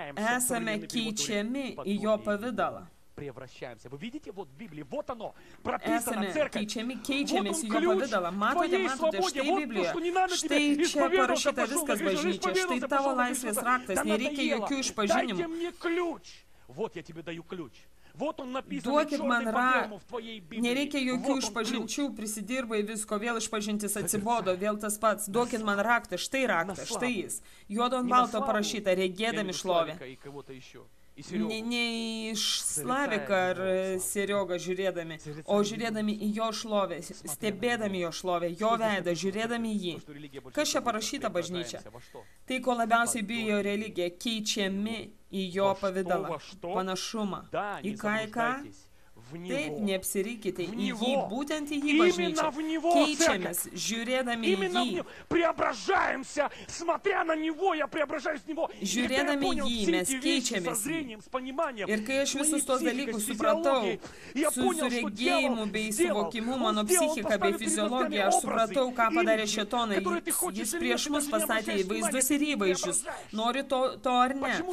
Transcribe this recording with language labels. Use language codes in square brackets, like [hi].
[lt] Esame keičiami į jo pavidalą. Esame keičiami, keičiamės į jo pavidalą. Matote, matote, štai Biblija. Štai čia parašyta viskas bažnyčia. Štai tavo laisvės raktas. Nereikia jokių išpažinimų. [ru] Вот я тебе даю ключ. Вот он написан чёрной проблему в твоей Библии. [lt] Nereikia jokių išpažinčių, prisidirbai visko, vėl išpažintis atsibodo, vėl tas pats. Duokit man raktą, štai raktas, štai jis. Juodo ant balto parašyta, regėdami šlovę. Ne iš Slavika ar Serioga žiūrėdami, o žiūrėdami į jo šlovę, stebėdami jo šlovę, jo veidą, žiūrėdami į jį. Kas čia parašyta bažnyčia? Tai, ko labiausiai bijo religija, keičiami į jo pavidalą, panašumą. Į ką, į ką? Taip, neapsirykite į jį, būtent į jį bažnyčią. Keičiamės, žiūrėdami į jį. [ru] Преображаемся, смотря на него, я преображаюсь в него. [lt] Žiūrėdami į jį mes keičiamės. Ir kai aš visus tos dalykus supratau, su regėjimu bei suvokimu, mano psichika bei fiziologija, aš supratau, ką padarė šėtonai. Jis prieš mus pastatė į vaizdus ir įvaizdžius. Nori to ar ne?